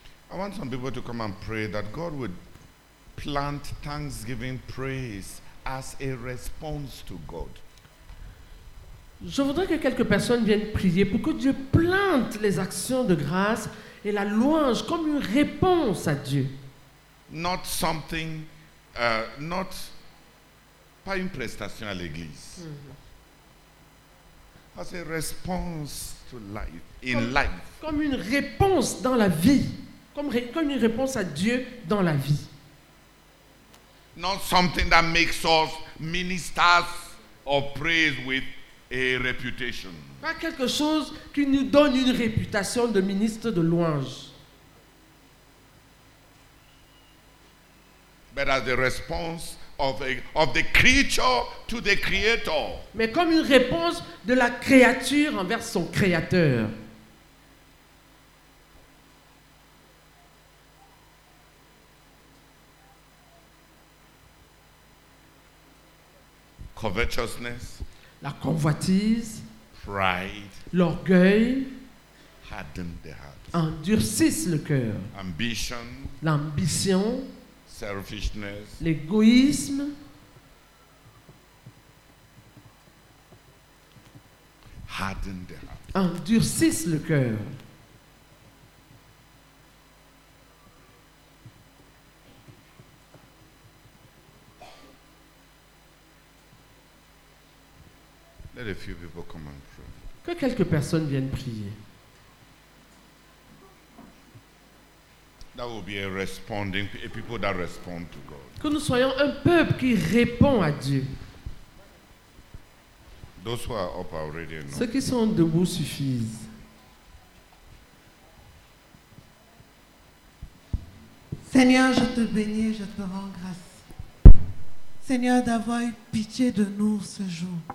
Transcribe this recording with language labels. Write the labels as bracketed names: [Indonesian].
[English] I want some people to come and pray that God would plant thanksgiving praise as a response to God. [French] Je voudrais que quelques personnes viennent prier pour que Dieu plante les actions de grâce et la louange comme une réponse à Dieu. [English] Not something, not, [French] pas une prestation à l'église. [English] Mm-hmm. As a response to life, in comme, life. [French] Comme une réponse dans la vie. Comme une réponse à Dieu dans la vie. [English] Not something that makes us ministers of praise with a reputation. [French] Pas quelque chose qui nous donne une réputation de ministre de louange. [English] But as the response of the creature to the creator. [French] Mais comme une réponse de la créature envers son créateur. [English] Covetousness, [French] la convoitise, [English] pride, [French] l'orgueil, [English] harden the heart, [French] endurcissent le cœur, [English] ambition, [French] l'ambition, [English] selfishness, [French] l'égoïsme, [English] harden the heart, [French] endurcissent le cœur. [English] Let a few people come and pray. [French] Que quelques personnes viennent prier. [English] That will be a responding, a people that respond to God. [French] Que nous soyons un peuple qui répond à Dieu. [English] Those who are up already, no? [French] Ceux qui sont debout suffisent. Seigneur, je te bénis, je te rends grâce. Seigneur, d'avoir eu pitié de nous ce jour.